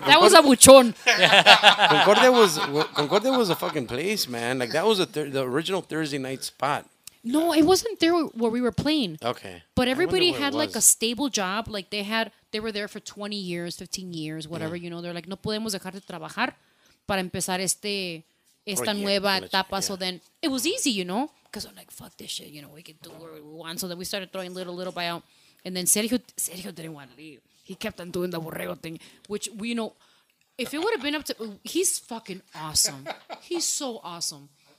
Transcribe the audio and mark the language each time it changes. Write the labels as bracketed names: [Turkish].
[English] That was a buchón. Concordia was a fucking place, man. Like, that was the original Thursday night spot. No, it wasn't there where we were playing. Okay. But everybody had like a stable job. Like they were there for 20 years, 15 years, whatever, you know. They're like, [Spanish] no podemos dejar de trabajar para empezar esta nueva etapa. [English] Yeah. So then it was easy, you know, because I'm like, fuck this shit. You know, we can do what we want. So then we started throwing little by out. And then Sergio didn't want to leave. He kept on doing the Borrego thing, which, you know, if it would have been up to, he's fucking awesome. He's so awesome.